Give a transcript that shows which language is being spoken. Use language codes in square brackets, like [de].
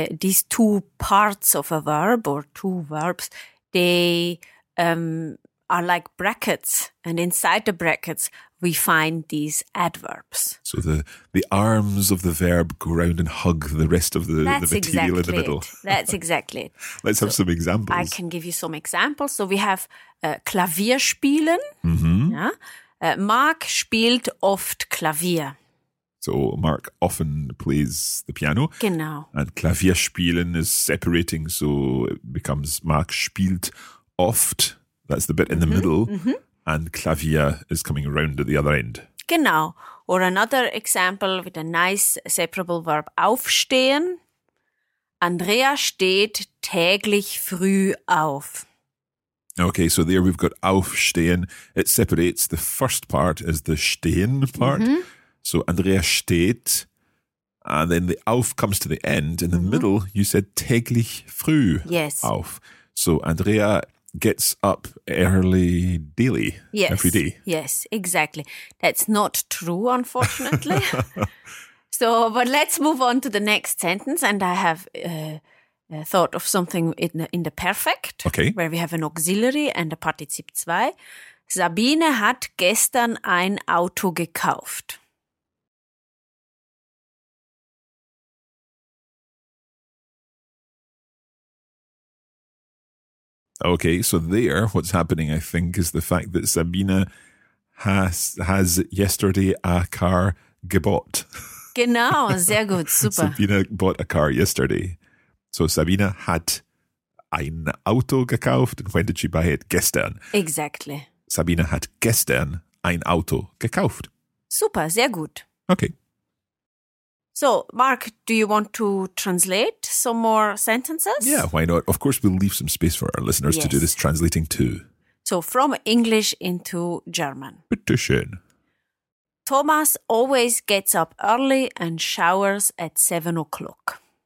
[en] These two parts of a verb or two verbs, they are like brackets. And inside the brackets, we find these adverbs. So the arms of the verb go round and hug the rest of the material exactly in the middle. That's exactly it. Let's have some examples. I can give you some examples. So we have [de] Klavier spielen. [en] Yeah? [de] Mark spielt oft Klavier. [en] So Mark often plays the piano. [de] Genau. [en] And Klavier spielen is separating, so it becomes [de] Mark spielt oft. [en] That's the bit in the middle. And Klavier is coming around at the other end. [de] Genau. [en] Or another example with a nice separable verb, aufstehen. [de] Andrea steht täglich früh auf. [en] Okay, so there we've got aufstehen. It separates. The first part is the stehen part. So Andrea steht. And then the auf comes to the end. In the middle, you said [de] täglich früh auf. [en] So Andrea gets up early daily, yes, every day. Yes, exactly. That's not true, unfortunately. So, but let's move on to the next sentence. And I have thought of something in the perfect, okay, where we have an auxiliary and a Partizip 2. [de] Sabine hat gestern ein Auto gekauft. [en] Okay, so there, what's happening, I think, is the fact that Sabine has yesterday a car gebot. [de] Genau, sehr gut, super. [en] Sabine bought a car yesterday. So [de] Sabine hat ein Auto gekauft. [en] And when did she buy it? [de] Gestern. [en] Exactly. [de] Sabine hat gestern ein Auto gekauft. Super, sehr gut. [en] Okay. So, Mark, do you want to translate some more sentences? Yeah, why not? Of course, we'll leave some space for our listeners to do this translating too. So, from English into German. [de] Bitte schön. [en] Thomas always gets up early and showers at 7 o'clock.